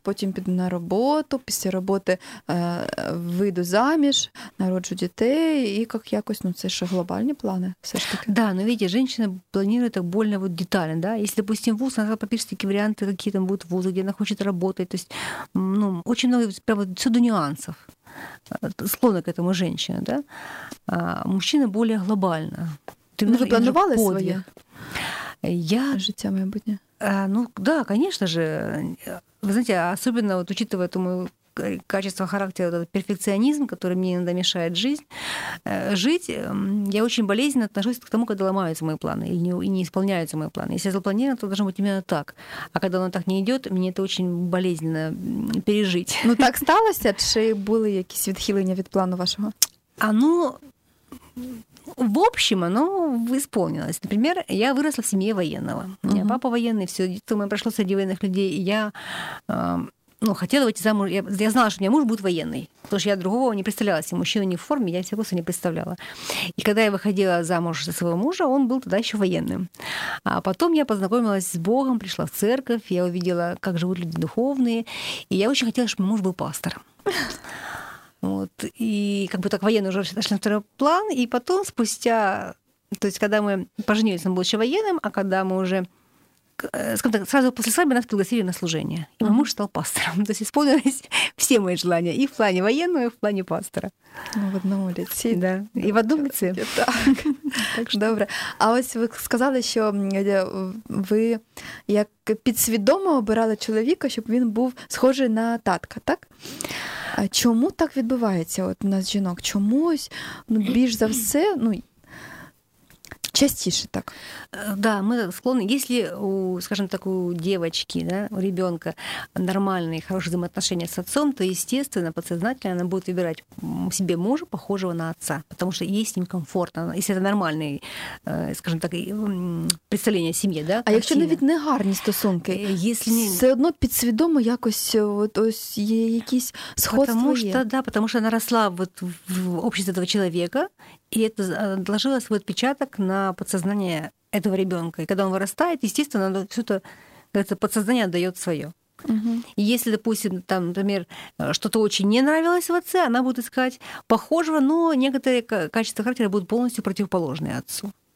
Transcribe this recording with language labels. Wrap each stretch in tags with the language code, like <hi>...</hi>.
<uk>потім піду на роботу, після роботи вийду заміж, народжу дітей, і як якось, ну, це ще глобальні плани, все ж таки.</uk> <ru>Да, ну, видите,</ru> <uk>жінка планує так більш вот детально, да? Якщо, допустим, вуз, вона пропише такі варіанти, які там будуть вузи, де вона хоче працювати, то есть, ну, дуже багато, прямо, все до нюансів.</uk> <ru>Склонна к этому женщина, да? А мужчина более глобально. Ты, ну, вы планировали своё</ru> <uk>життя майбутнє?</uk> <ru>Ну, да, конечно же. Вы знаете, особенно вот, учитывая это моё качество характера, вот этот перфекционизм, который мне иногда мешает жить, я очень болезненно отношусь к тому, когда ломаются мои планы или не исполняются мои планы. Если я запланировала, то должно быть именно так. А когда оно так не идёт, мне это очень болезненно пережить.</ru> <uk>Ну так сталося, чи були якісь відхилення від плану вашого?</uk> <ru>Оно... В общем, оно исполнилось. Например, я выросла в семье военного. У меня папа военный, все детство мое прошло среди военных людей. И я хотела выйти замуж. Я знала, что у меня муж будет военный. Потому что я другого не представляла себе. Мужчина не в форме, я себе просто не представляла. И когда я выходила замуж за своего мужа, он был тогда еще военным. А потом я познакомилась с Богом, пришла в церковь, я увидела, как живут люди духовные. И я очень хотела, чтобы мой муж был пастор. Вот, и как бы так военные уже отошли на второй план, и потом спустя, то есть когда мы поженились, он был еще военным, а когда мы уже скажем так, сразу после свадьбы нас пригласили на служение. И мой муж стал пастором. То есть исполнились все мои желания. И в плане военного, и в плане пастора.</ru> <uk>Ну, в одному лице.</uk> <ru>Да. И в одном лице. Так. Так что... Добре.</ru> <uk>А ось ви сказали, що ви як підсвідомо обирали чоловіка, щоб він був схожий на татка, так? А чому так відбувається от у нас жінок? Чомусь, ну, більш за все, ну, частіше так.</uk> <ru>Да,</ru> <uk>ми склонні,</uk> <ru>если у, скажем так, у девочки, да, у ребёнка нормальные, хорошие взаимоотношения с отцом, то, естественно, подсознательно она будет выбирать себе мужа, похожего на отца, потому что ей с ним комфортно, если это нормальные, скажем так, представление о семье, да?</ru> <uk>А если навіть не гарні стосунки,</uk> <ru>если</ru> <uk>все одно підсвідомо якось от ось є якісь сходства.</uk> <ru>Потому что, да, потому что она росла вот в обществе этого человека, и это отложило свой отпечаток на подсознание этого ребенка. И когда он вырастает, естественно, он все это подсознание отдает свое. И если, допустим, там, например, что-то очень не нравилось в отце, она будет искать похожего, но некоторые качества характера будут полностью противоположные отцу.</ru>